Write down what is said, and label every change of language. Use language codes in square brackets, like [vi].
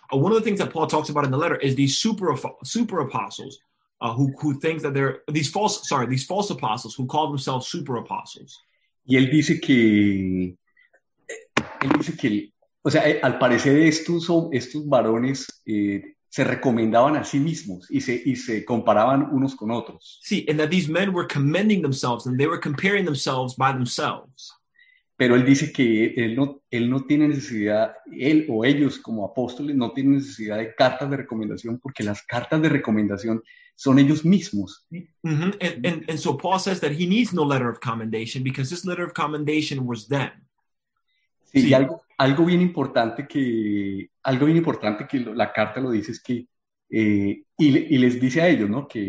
[en] One of the things that Paul talks about in the letter is these super apostles who think that they're these false apostles who call themselves super apostles. [es] Y él dice que, o sea, al parecer estos varones se recomendaban a sí mismos y se comparaban unos con otros. [en] Sí, and that these men were commending themselves and they were comparing themselves by themselves. [es] Pero él dice que él o ellos como apóstoles no tienen necesidad de cartas de recomendación porque las cartas de recomendación son ellos mismos. Mm-hmm. [en] And so Paul says that he needs no letter of commendation because this letter of commendation was them. [es] Sí, sí. Y algo bien importante que la carta lo dice es que y les dice a ellos, ¿no?